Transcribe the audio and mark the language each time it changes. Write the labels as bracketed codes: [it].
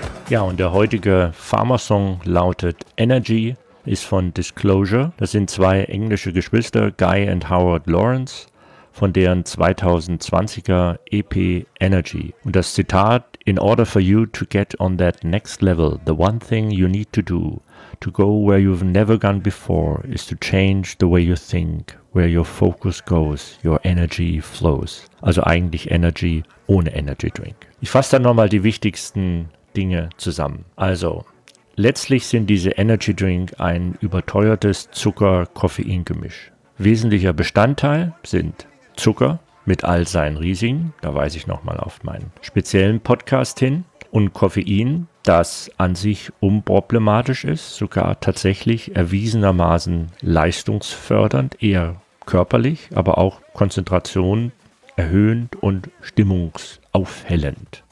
[de] Ja, und der heutige Pharma-Song lautet Energy, ist von Disclosure. Das sind 2 englische Geschwister, Guy und Howard Lawrence, von deren 2020er EP Energy. Und das Zitat, [en] in order for you to get on that next level, the one thing you need to do, to go where you've never gone before, is to change the way you think, where your focus goes, your energy flows. [de] Also eigentlich Energy ohne Energy Drink. Ich fasse dann nochmal die wichtigsten Dinge zusammen. Also, letztlich sind diese Energy Drink ein überteuertes Zucker-Koffein-Gemisch. Wesentlicher Bestandteil sind Zucker mit all seinen Risiken, da weise ich nochmal auf meinen speziellen Podcast hin, und Koffein, das an sich unproblematisch ist, sogar tatsächlich erwiesenermaßen leistungsfördernd, eher körperlich, aber auch Konzentration erhöhend und stimmungsaufhellend.